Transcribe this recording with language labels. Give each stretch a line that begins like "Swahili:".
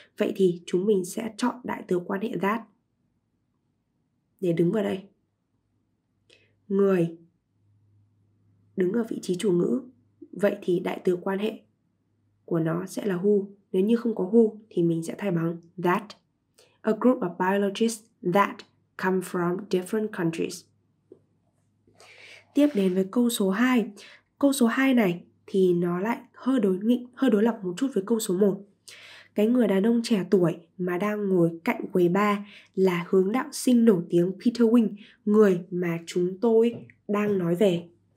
Vietnamese: Vậy thì chúng mình sẽ chọn đại từ quan hệ that để đứng vào đây. Người đứng ở vị trí chủ ngữ, vậy thì đại từ quan hệ của nó sẽ là who. Nếu như không có who thì mình sẽ thay bằng that.
English: A group of biologists that come from different countries.
Vietnamese: Tiếp đến với câu số 2. Câu số 2 này thì nó lại hơi đối lập một chút với câu số 1. Cái người đàn ông trẻ tuổi mà đang ngồi cạnh quầy bar là hướng đạo sinh nổi tiếng Peter Wing, người mà chúng tôi đang nói về.